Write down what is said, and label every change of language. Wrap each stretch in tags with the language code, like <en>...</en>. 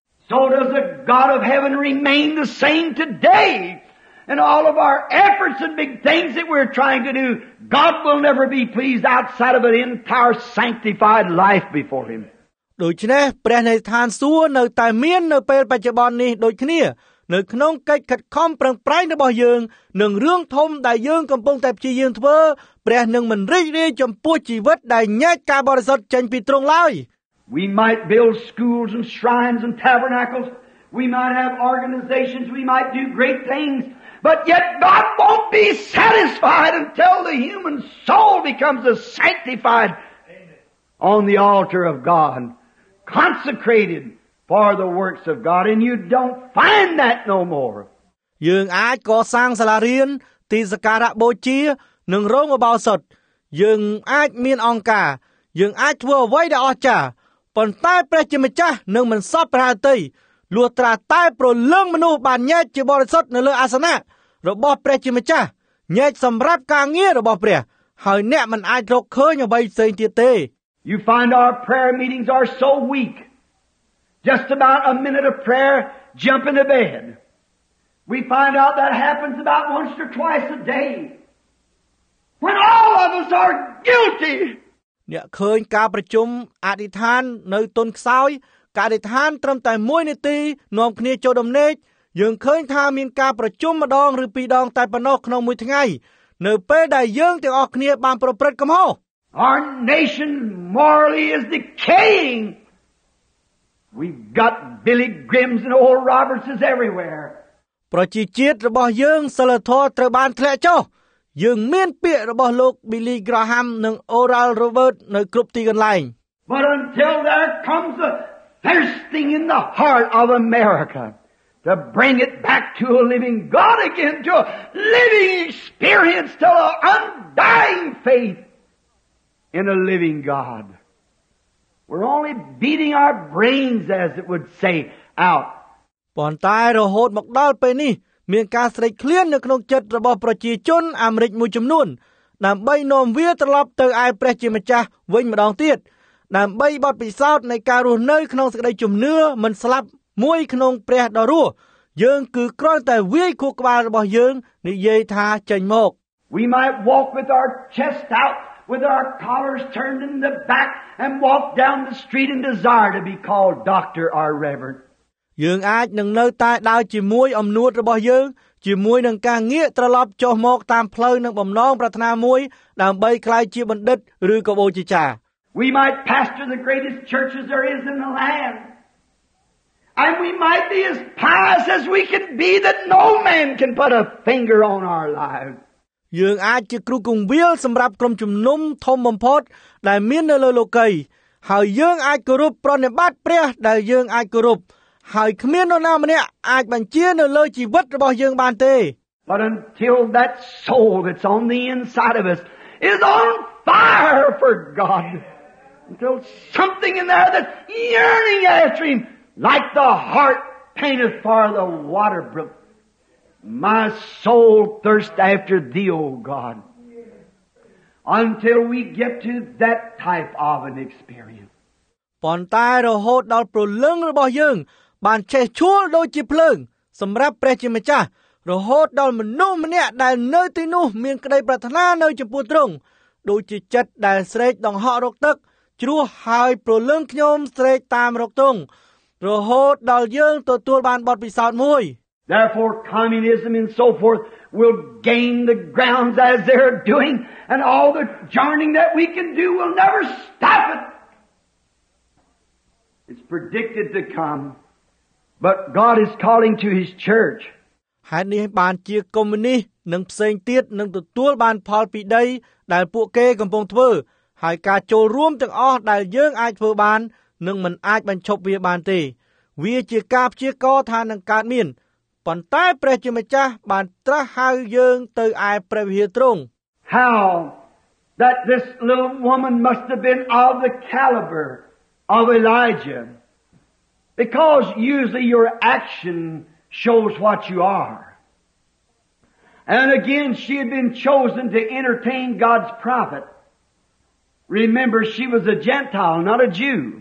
<en>So does the God of heaven remain the same today in all of our efforts and big things that we're trying to do God will never be pleased outside of an entire sanctified life before him</en> <km>ដូច្នេះព្រះនៃឋានសួគ៌នៅតែមាននៅពេលបច្ចុប្បន្ននេះដូចគ្នានៅក្នុងកិច្ចខិតខំប្រឹងប្រែងរបស់យើងនឹងរឿងធំដែលយើងកំពុងតែព្យាយាមធ្វើព្រះនឹងមិនរីករាយចំពោះជីវិតដែលញែកការបរិសុទ្ធចេញពីទ្រង់ឡើយ</km> <en>We might build schools and shrines and tabernacles we might have organizations we might do great things but yet God won't be satisfied until the human soul becomes a sanctified on the altar of God consecrated for the works of God and you don't find that no more</en> <km>យើងអាចកសាងសាលារៀនទីសក្ការៈបូជានិងរោងឧបោសថយើងអាចមានអង្គការយើងអាចធ្វើអ្វីដែលអស្ចារ្យប៉ុន្តែព្រះជាម្ចាស់នឹងមិនសពប្រហើតីលួត្រាតែប្រលឹងមនុស្សបានញែកជាបរិសុទ្ធនៅលើអាសនៈរបស់ព្រះជាម្ចាស់ញែកសម្រាប់ការងាររបស់ព្រះហើយអ្នកមិនអាចរកឃើញអ្វីផ្សេងទៀតទេ</km> <en>You find our prayer meetings are so weakJust about a minute of prayer, jump into bed. We find out that happens about once or twice a day. When all of us are guilty.</en> <km>អ្នកឃើញការប្រជុំអធិដ្ឋាននៅទុនខ្សោយការអធិដ្ឋានត្រឹមតែ1នាទីនាំគ្នាចូលដំណេកយើងឃើញថាមានការប្រជុំម្ដងឬពីរដងតែប៉ុណ្ណោះក្នុងមួយថ្ងៃនៅពេលដែលយើងទាំងអស់គ្នាបានប្រព្រឹត្តកំហុស</km> <en>Our nation morally is decaying. We've got Billy Grimms and Oral Roberts everywhere.</en> <km>ប្រជាជាតិរបស់យើងសិលធរត្រូវបានធ្លាក់ចុះ។យើងមានពាក្យរបស់លោក Billy Graham និង Oral Roberts នៅគ្រប់ទីកន្លែង</km> <en>។ But until there comes a thirsting in the heart of America to bring it back to a living God again, to a living experience, to an undying faith in a living God. We're only beating our brains as it would say out.</en> <km>ប៉ុន្តែរហូតមកដល់ពេលនេះមានការស្រេកឃ្លាននៅក្នុងចិត្តរបស់ប្រជាជនអាមេរិកមួយចំនួនដើម្បីនាំវាត្រឡប់ទៅឯព្រះជាម្ចាស់វិញម្ដងទៀតដើម្បីបត់ពិសោធន៍នៃការរស់នៅក្នុងសេចក្តីជំនឿមិនស្លាប់មួយក្នុងព្រះដ៏រស់យើងគឺគ្រាន់តែវាយខួរក្បាលរបស់យើងនិយាយថាចេញមក</km> <en>We might walk with our chest out with our collars turned in the backand walk down the street and desire to be called doctor or reverend</en> <km>យើងអាចនឹងនៅតែដើរជាមួយអំណួតរបស់យើងជាមួយនឹងការងាកត្រឡប់ចុះមកតាមផ្លូវនឹងបំណងប្រាថ្នាមួយដើម្បីក្លាយជាបណ្ឌិតឬក៏បូជាចារ្យ</km> <en>we might pastor the greatest churches there is in the land and we might be as pious as we can be that no man can put a finger on our lives</en> <km>យើងអាចជាគ្រូគង្វាលសម្រាប់ក្រុមជំនុំធំបំផុតដែលមាននៅលើលោកី ហើយយើងអាចគោរពប្រណិប័តព្រះដែលយើងអាចគោរពហើយគ្មាននរណាម្នាក់អាចបញ្ជានៅលើជីវិតរបស់យើងបានទេ</km> <en>But until that soul that's on the inside of us is on fire for God until something in there that's yearning after him like the heart panteth for the water brook my soul thirsts after thee O God Until we get to that type of an experience.</en> <km>ប៉ុន្តែរហូតដល់ព្រលឹងរបស់យើងបានចេះឈួលដូចជាភ្លើងសម្រាប់ព្រះជាម្ចាស់រហូតដល់មនុស្សម្នាក់ដែលនៅទីនោះមានក្តីប្រាថ្នានៅចំពោះទ្រង់ដូចជាចិត្តដែលស្រេកដង្ហក់រកទឹកជ្រោះហើយព្រលឹងខ្ញុំស្រេកតាមរកទង់រហូតដល់យើងទទួលបានបទពិសោធន៍មួយ</km> <en>Therefore communism and so forth will gain the grounds as they're doing and all the journeying that we can do will never stop it. It's predicted to come, but God is calling to his church.</en> <km>ហើយនេះបានជាកុម្មុយនីសនិងផ្សេងទៀតនឹងទទួលបានផលពីដីដែលពួកគេកំពុងធ្វើហើយការចូលរួមទាំងអស់ដែលយើងអាចធ្វើបាននឹងមិនអាចបញ្ឈប់វាបានទេវាជាការព្យាករថានឹងកើតមានប៉ុន្តែព្រះជាម្ចាស់បានត្រាស់ហៅយើងទៅឯព្រះវិហារទ្រង់</km> <en>How that this little woman must have been of the caliber of Elijah because usually your action shows what you are and again she had been chosen to entertain God's prophet remember she was a Gentile not a Jew</en>